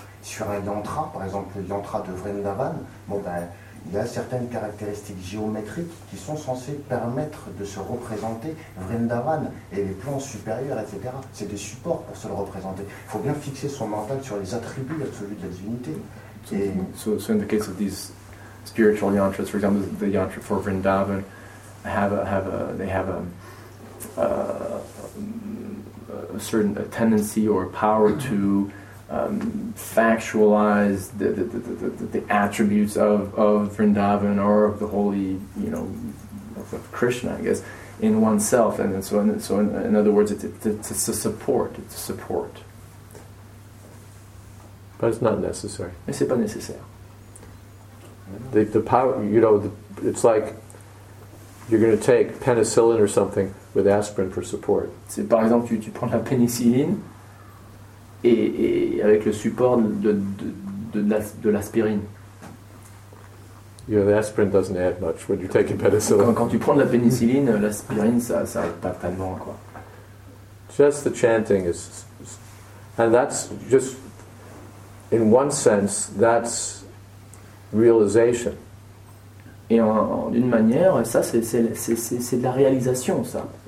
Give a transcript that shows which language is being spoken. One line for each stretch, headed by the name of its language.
French: Sur un yantra, par exemple le yantra de Vrindavan, bon ben, il y a certaines caractéristiques géométriques qui sont censées permettre de se représenter Vrindavan et les plans supérieurs, etc. C'est des supports pour se le représenter. Il faut bien fixer son mental sur les attributs absolus de la divinité.
English: So in the case of these spiritual yantras, for example, the yantra for Vrindavan, they have a certain tendency or power to factualize the attributes of Vrindavan or of the holy, you know, of Krishna, I guess, in oneself, and so on. So in other words, it's a support. But it's not necessary.
French: Mais c'est pas nécessaire.
English: The power, you know, it's like you're going to take penicillin or something with aspirin for support.
French: C'est par exemple tu prends la pénicilline et avec le support de l'aspirine.
English: You know, the aspirin doesn't add much when you're taking penicillin.
French: Quand tu prends de la pénicilline, l'aspirine ça aide pas tellement quoi.
English: Just the chanting is, and that's just. In one sense, that's realization.
French: Et d'une manière, ça c'est de la réalisation, ça.